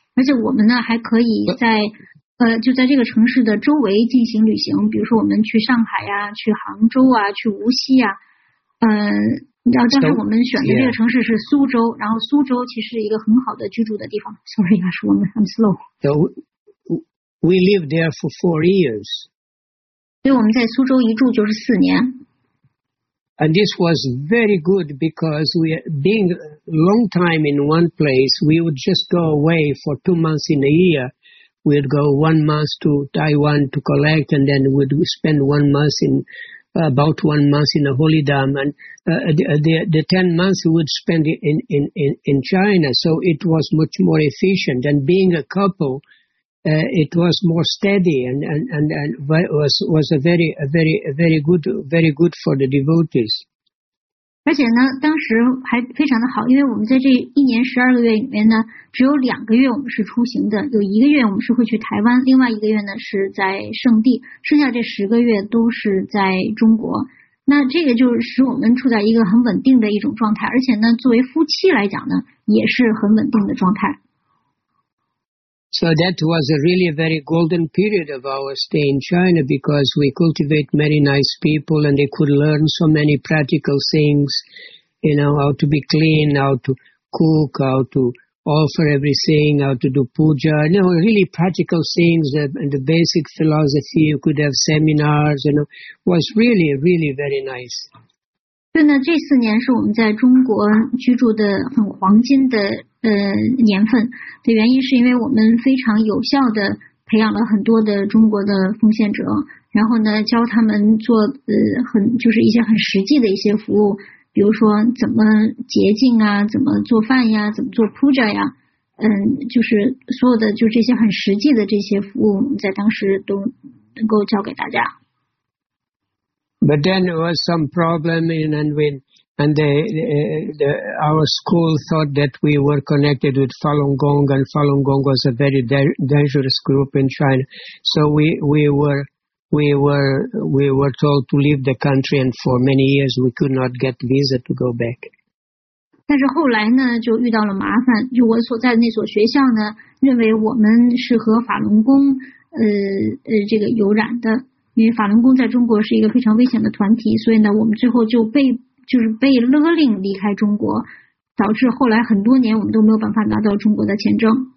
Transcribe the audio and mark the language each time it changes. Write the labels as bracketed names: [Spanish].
[Chinese] 而且我们呢，还可以在就在这个城市的周围进行旅行，比如说我们去上海呀、啊，去杭州啊，去无锡呀、啊。然后当时我们选的这个城市是苏州， [English] yeah. [Chinese] 然后苏州其实是一个很好的居住的地方。 [English] Sorry， [Chinese] 老师，我们 [English] I'm slow. So we lived there for 4 years. [Chinese] 所以我们在苏州一住就是四年。 [English] And this was very good because we being long time in one place, we would just go away for 2 months in a year. We'd go 1 month to Taiwan to collect, and then we'd spend about one month in a holy dam, and the 10 months we would spend in China. So it was much more efficient. And being a couple. It was more steady and was a very good for the devotees. [Chinese] 而且呢，当时还非常的好，因为我们在这一年十二个月里面呢，只有两个月我们是出行的，有一个月我们是会去台湾，另外一个月呢是在圣地，剩下这十个月都是在中国。那这个就使我们处在一个很稳定的一种状态，而且呢，作为夫妻来讲呢，也是很稳定的状态。 [English] So that was a really a very golden period of our stay in China because we cultivate many nice people and they could learn so many practical things, you know, how to be clean, how to cook, how to offer everything, how to do puja, you know, really practical things and the basic philosophy. You could have seminars, you know, was really, really very nice. [Chinese] 对呢，这四年是我们在中国居住的很黄金的年份的原因是因为我们非常有效的培养了很多的中国的奉献者，然后呢教他们做很就是一些很实际的一些服务，比如说怎么洁净啊，怎么做饭呀，怎么做 puja 呀，就是所有的就这些很实际的这些服务在当时都能够教给大家。 [English] But then there was some problem in Anhui, and our school thought that we were connected with Falun Gong, and Falun Gong was a very dangerous group in China. So we were told to leave the country, and for many years we could not get visa to go back. [Chinese] 但是后来呢，就遇到了麻烦。就我所在的那所学校呢，认为我们是和法轮功这个有染的。因为法轮功在中国是一个非常危险的团体，所以呢我们最后就是被勒令离开中国，导致后来很多年我们都没有办法拿到中国的签证。